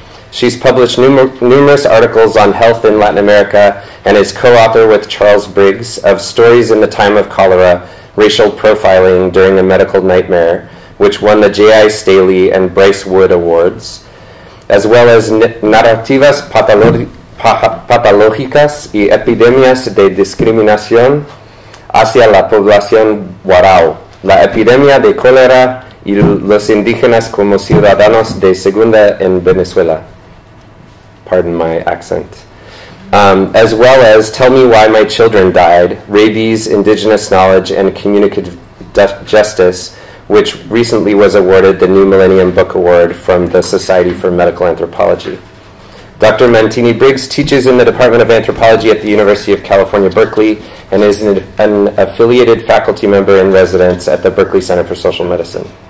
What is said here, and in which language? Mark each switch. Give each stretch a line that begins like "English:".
English: She's published numerous articles on health in Latin America and is co-author with Charles Briggs of Stories in the Time of Cholera, Racial Profiling During a Medical Nightmare, which won the J.I. Staley and Bryce Wood Awards, as well as Narrativas
Spanish: patológicas y epidemias de discriminación hacia la población warao, la epidemia de cólera y los indígenas como ciudadanos de segunda en Venezuela.
English: Pardon my accent. As well as Tell Me Why My Children Died, Rabies, Indigenous Knowledge, and Communicative Justice, which recently was awarded the New Millennium Book Award from the Society for Medical Anthropology. Dr. Mantini-Briggs teaches in the Department of Anthropology at the University of California, Berkeley, and is an affiliated faculty member in residence at the Berkeley Center for Social Medicine.